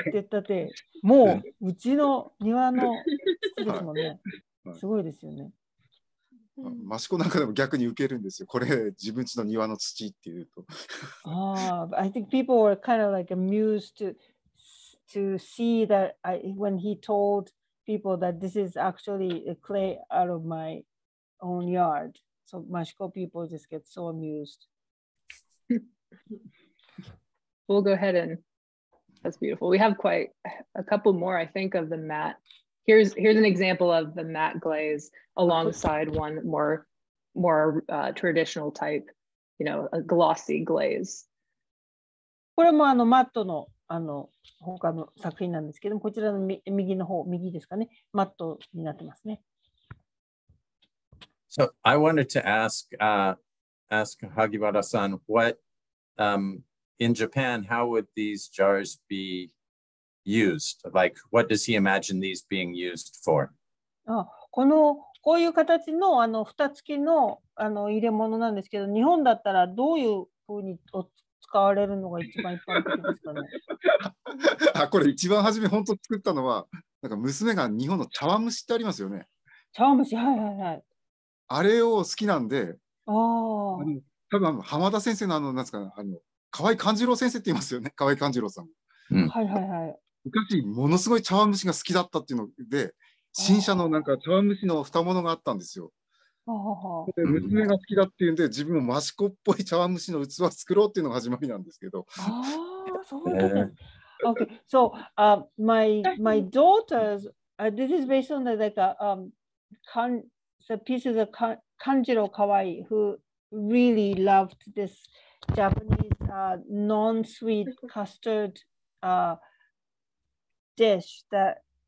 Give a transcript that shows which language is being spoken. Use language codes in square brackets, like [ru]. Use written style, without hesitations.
[ja] って言ったってもううちの庭の土ですもんね。すごいですよね。マシコなんかでも逆に受けるんですよ。これ自分家の庭の土っていうと。 [en] ああ、I think people were kind of like amused to see that when he told. People that this is actually a clay out of my own yard. So Mashiko people just get so amused. We'll go ahead and that's beautiful. We have quite a couple more, I think, of the matte. Here's an example of the matte glaze alongside one more traditional type, you know, a glossy glaze. [ja] これもあのマットのあの他の作品なんですけども、こちらの右の方、右ですかね、マットになってますね。 [en] So I wanted to ask Hagiwara-san, what in Japan, how would these jars be used? Like, what does he imagine these being used for? [ja] あ、このこういう形のあの蓋付きのあの入れ物なんですけど、日本だったらどういうふうに使われるのが一番一般的ですかね。あ、これ一番初め本当作ったのは、なんか娘が日本の茶碗蒸しってありますよね。茶碗蒸し、はいはいはい。あれを好きなんで、ああ。多分浜田先生のあのなんですか、あの河合勘次郎先生って言いますよね、河合勘次郎さん。はいはいはい。昔ものすごい茶碗蒸しが好きだったっていうので、新車のなんか茶碗蒸しの蓋物があったんですよ。で娘が好きだっていうんで、自分もマシコっぽい茶碗蒸しの器を作ろうっていうのが始まりなんですけど。ああ、そうなんです。 [en] Okay, so my daughters, this is based on the like the pieces of Kanjiro Kawai, who really loved this Japanese non-sweet custard dish that.